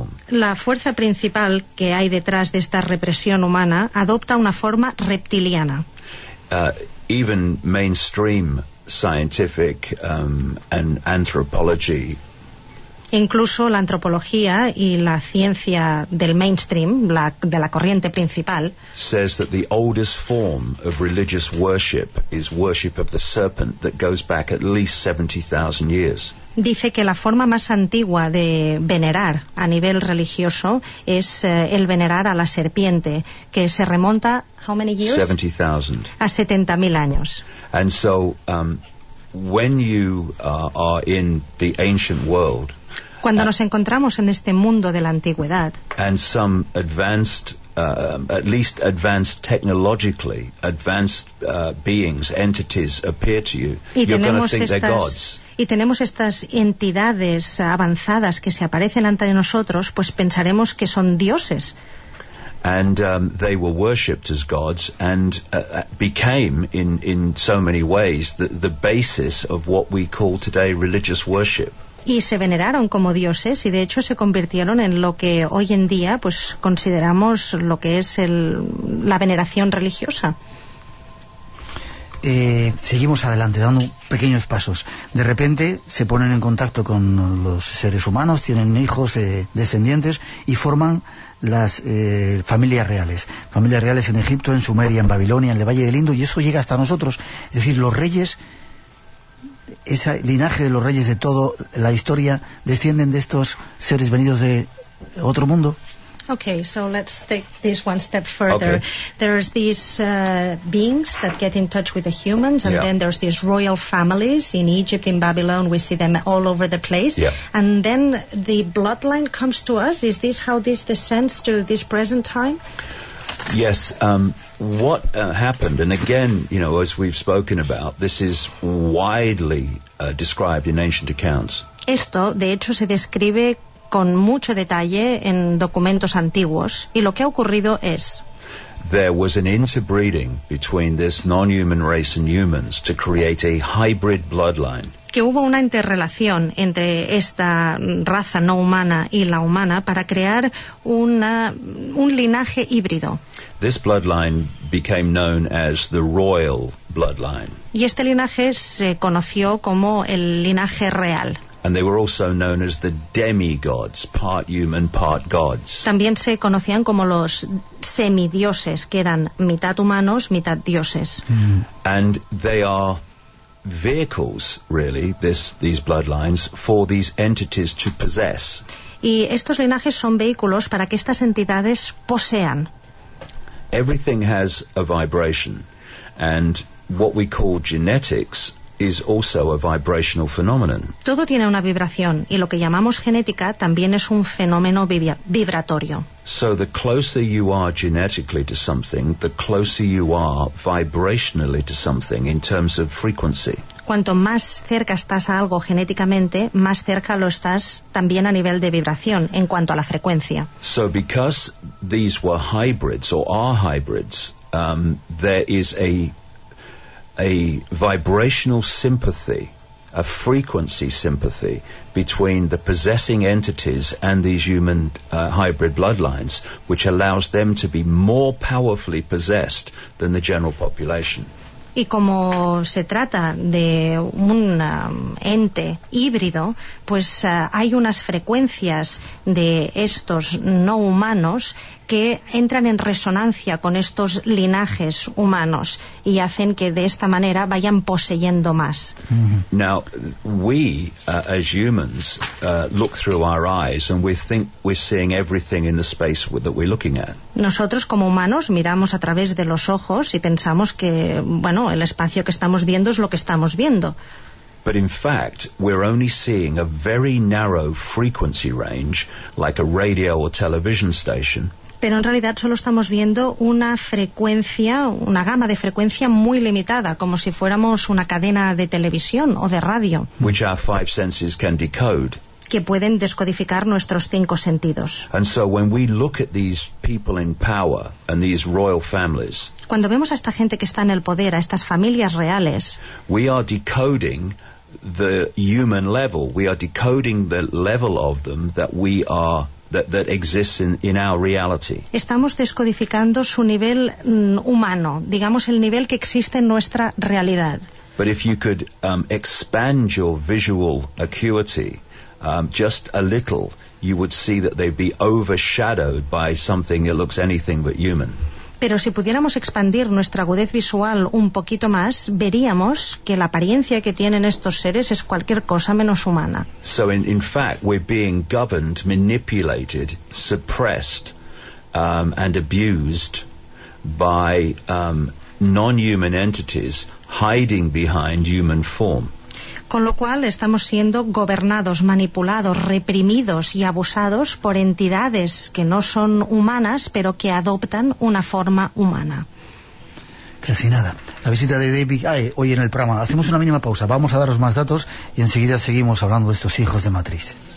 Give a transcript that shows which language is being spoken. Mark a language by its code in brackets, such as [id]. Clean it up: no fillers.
[es] La fuerza principal que hay detrás de esta represión humana adopta una forma reptiliana. [en] Even mainstream scientific and anthropology. [es] Incluso la antropología y la ciencia del mainstream, de la corriente principal, [en] says that the oldest form of religious worship is worship of the serpent that goes back at least 70,000 years. [es] Dice que la forma más antigua de venerar a nivel religioso es el venerar a la serpiente, que se remonta, [en] how many years? 70,000. [es] A 70,000 años. [en] And so, when you are in the ancient world, [es] cuando nos encontramos en este mundo de la antigüedad, [en] and some advanced, at least advanced technologically, advanced beings, entities appear to you, you're going to think they're gods. [es] Y tenemos estas entidades avanzadas que se aparecen ante de nosotros, pues pensaremos que son dioses. [en] And they were worshipped as gods and became in so many ways the basis of what we call today religious worship. [es] Y se veneraron como dioses y de hecho se convirtieron en lo que hoy en día pues consideramos lo que es la veneración religiosa. Seguimos adelante, dando pequeños pasos. De repente se ponen en contacto con los seres humanos, tienen hijos, descendientes y forman las familias reales. Familias reales en Egipto, en Sumeria, en Babilonia, en el Valle del Indo, y eso llega hasta nosotros. Es decir, los reyes, ese linaje de los reyes de toda la historia, descienden de estos seres venidos de otro mundo. [en] Okay, so let's take this one step further. Okay. There's these beings that get in touch with the humans, and then there's these royal families in Egypt, in Babylon. We see them all over the place. Yeah. And then the bloodline comes to us. Is this how this descends to this present time? Yes. What happened, and again, you know, as we've spoken about, this is widely described in ancient accounts. [es] Esto, de hecho, se describe con mucho detalle en documentos antiguos, y lo que ha ocurrido es... [en] There was an interbreeding between this non-human race and humans to create a hybrid bloodline. [es] Que hubo una interrelación entre esta raza no humana y la humana para crear un linaje híbrido. [en] This bloodline became known as the royal bloodline. [es] Y este linaje se conoció como el linaje real. [en] And they were also known as the demigods, part human, part gods. [es] También se conocían como los semidioses, que eran mitad humanos, mitad dioses. Mm. [en] And they are vehicles, really, these bloodlines, for these entities to possess. [es] Y estos linajes son vehículos para que estas entidades posean. [en] Everything has a vibration, and what we call genetics is also a vibrational phenomenon. [es] Todo tiene una vibración, y lo que llamamos genética también es un fenómeno vibratorio. [en] So the closer you are genetically to something, the closer you are vibrationally to something in terms of frequency. [es] Cuanto más cerca estás a algo genéticamente, más cerca lo estás también a nivel de vibración, en cuanto a la frecuencia. [en] So because these were hybrids, or are hybrids, there is a vibrational sympathy, a frequency sympathy, between the possessing entities and these human hybrid bloodlines, which allows them to be more powerfully possessed than the general population. [es] Y como se trata de un ente híbrido, pues hay unas frecuencias de estos no humanos que entran en resonancia con estos linajes humanos y hacen que de esta manera vayan poseyendo más. Mm-hmm. [en] Now, we, as humans, look through our eyes and we think we're seeing everything in the space that we're looking at. [es] Nosotros, como humanos, miramos a través de los ojos y pensamos que, bueno, el espacio que estamos viendo es lo que estamos viendo. [en] But in fact, we're only seeing a very narrow frequency range, like a radio or television station. [es] Pero en realidad solo estamos viendo una frecuencia, una gama de frecuencia muy limitada, como si fuéramos una cadena de televisión o de radio. [en] Which our five senses can decode. [es] Que pueden descodificar nuestros cinco sentidos. [en] And so when we look at these people in power and these royal families, [es] cuando vemos a esta gente que está en el poder, a estas familias reales, [en] we are decoding the human level. We are decoding the level of them that we are, that exists in our reality. [es] Estamos descodificando su nivel humano, digamos el nivel que existe en nuestra realidad. [en] But if you could expand your visual acuity just a little, you would see that they'd be overshadowed by something that looks anything but human. [es] Pero si pudiéramos expandir nuestra agudez visual un poquito más, veríamos que la apariencia que tienen estos seres es cualquier cosa menos humana. [en] So in fact, we're being governed, manipulated, suppressed, and abused by non-human entities hiding behind human form. [es] Con lo cual estamos siendo gobernados, manipulados, reprimidos y abusados por entidades que no son humanas, pero que adoptan una forma humana. Casi nada. La visita de David Ay, hoy en el programa. Hacemos una mínima pausa. Vamos a daros más datos y enseguida seguimos hablando de estos hijos de Matriz.